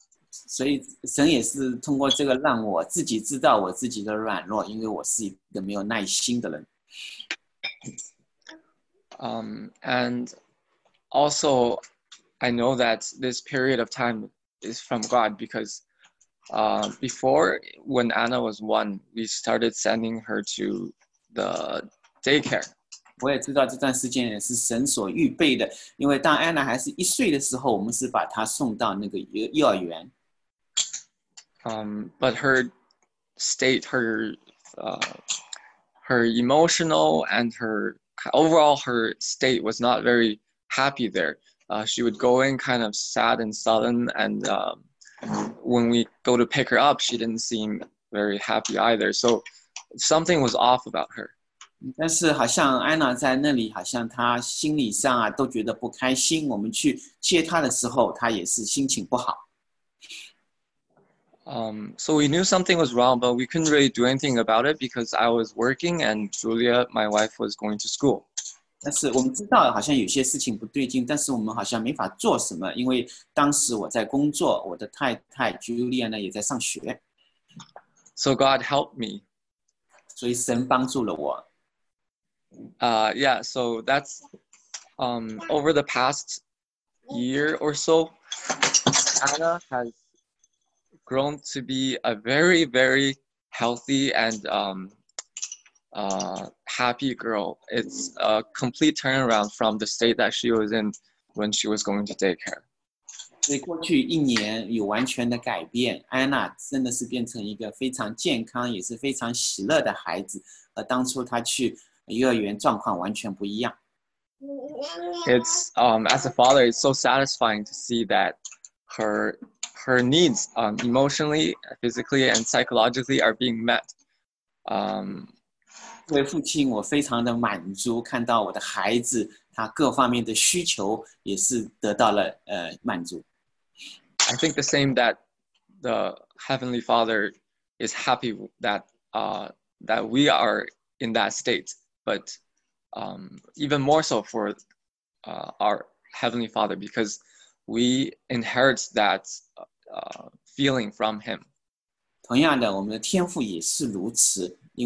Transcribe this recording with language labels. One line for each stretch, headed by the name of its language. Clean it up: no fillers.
Chinese: 所以神也是通过这个让我自己知道我自己的软弱，因为我是一个没有耐心的人。
English: And also I know that this period of time is from God because before when Anna was one, we started sending her to. The daycare.
Chinese: 我也知道这段时间也是神所预备的，因为当安娜还是一岁的时候，我们是把她送到那个幼儿园。
English: But her state, her her emotional and her overall her state was not very happy there. She would go in kind of sad and sullen, and when we go to pick her up, she didn't seem very happy either. So. Something was off about her.
Chinese: 但是好像安娜在那里，好像她心理上啊都觉得不开心。我们去接她的时候，她也是心情不好。
English: So we knew something was wrong, but we couldn't really do anything about it because I was working and Julia, my wife, was going to school.
Chinese: 但是我们知道好像有些事情不对劲，但是我们好像没法做什么，因为当时我在工作，我的太太 Julia 呢也在上学。
English: So God helped me.
Chinese: 所以神帮助了我。
English: Yeah, so that's over the past year or so, Anna has grown to be a very, very healthy and happy girl. It's a complete turnaround from the state that she was in when she was going to daycare.
Chinese: 所以过去一年有完全的改变，安娜真的是变成一个非常健康也是非常喜乐的孩子，和当初她去幼儿园状况完全不一样。
English: it's as a father, it's so satisfying to see that her needs emotionally, physically, and psychologically are being met.
Chinese: 作为父亲，我非常的满足，看到我的孩子他各方面的需求也是得到了满足。
English: I think the same that the Heavenly Father is happy that that we are in that state, but even more so for our Heavenly Father because we inherit that feeling from Him.
Chinese: 同样的，我们的天父也是如此。